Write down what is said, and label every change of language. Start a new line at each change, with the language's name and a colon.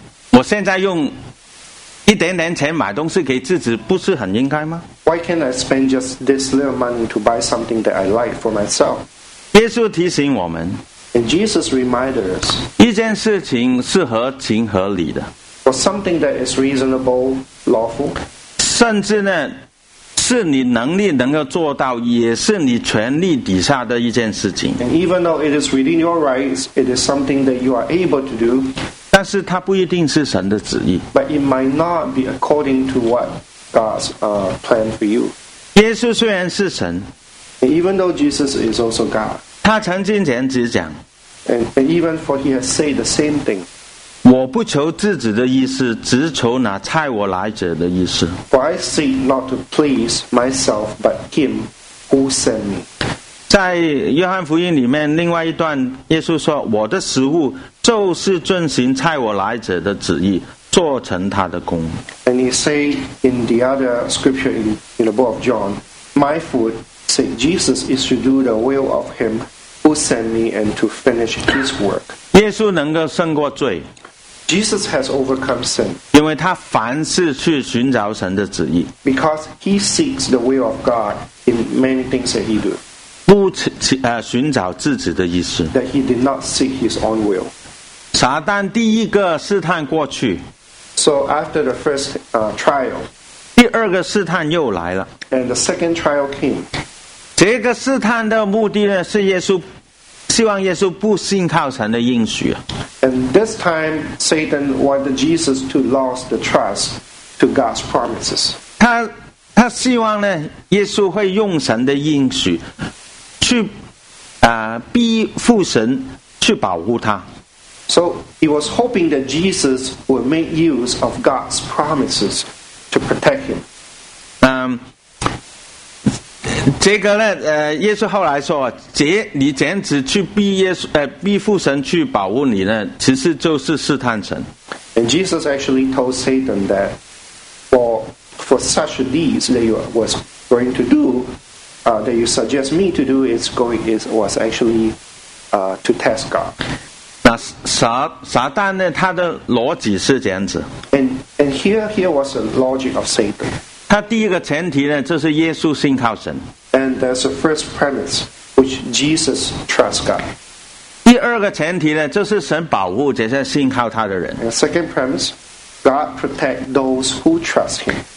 Chinese: 我现在用一点点钱买东西给自己，不是很应该吗？
English: Why can't I spend just this little money to buy something that I like for myself?
Chinese: 耶稣提醒我们，
English: And Jesus reminded us.
Chinese: 一件事情是合情合理的。
English: For something that is reasonable, lawful.
Chinese: 甚至呢，是你能力能够做到，也是你权力底下的一件事情。
English: And even though it is within your rights, it is something that you are able to do.
Chinese: 但是它不一定是神的旨意。
English: But it might not be according to what God's plan for you.
Chinese: 耶稣虽然是神。
English: And even though Jesus is also God.
Chinese: 他曾经这样子讲。
English: And even for he has said the same thing.
Chinese: 我不求自己的意思，只求拿差我来者的意思。
English: For I seek not to please myself, but him who sent me.
Chinese: 在约翰福音里面，另外一段，耶稣说：“我的食物就是遵行差我来者的旨意，做成他的功。”
English: And he say in the other scripture in the book of John, "My food, say Jesus, is to do the will of him who sent me and to finish his work."
Chinese: 耶稣能够胜过罪。
English: Jesus has overcome sin.
Chinese: 因为他凡事去寻找神的旨意。
English: Because he seeks the will of God in many things that he do.
Chinese: 不寻找自己的意思。
English: That he did not seek his own will.
Chinese: 撒旦第一个试探过去。
English: So after the first trial.
Chinese: 第二个试探又来了。
English: And the second trial came.
Chinese: 这个试探的目的呢，是耶稣希望耶稣不信靠神的应许。
English: And this time, Satan wanted Jesus to lose the trust to God's promises.
Chinese: 他希望呢，耶稣会用神的应许去逼父神去保护他。
English: So he was hoping that Jesus would make use of God's promises to protect him.
Chinese: 这个呢，耶稣后来说，你这样子去逼耶稣，逼父神去保护你呢，其实就是试探神。
English: And Jesus actually told Satan that for such deeds that you was going to do, that you suggest me to do was actually to test God.
Chinese: 那撒旦呢，他的逻辑是这样子。
English: And here was the logic of Satan.
Chinese: 他第一个前提呢，就是耶稣信靠神。
English: And there's a first premise, which Jesus trusts God.
Chinese: 第二个前提呢，就是神保护这些信靠他的人。
English: And second premise, God protects those who trust him.